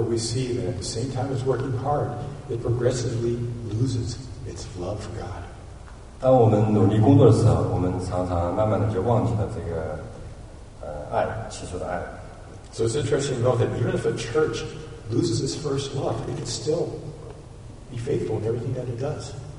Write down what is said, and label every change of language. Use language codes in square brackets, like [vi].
[en] we see that at the same time as working hard, it progressively loses its love for God. [zh] 当我们努力工作的时候，我们常常慢慢的就忘记了这个爱，起初的爱。So [en] it's interesting to note that even if a church loses its first love, it can still be faithful in everything that it does.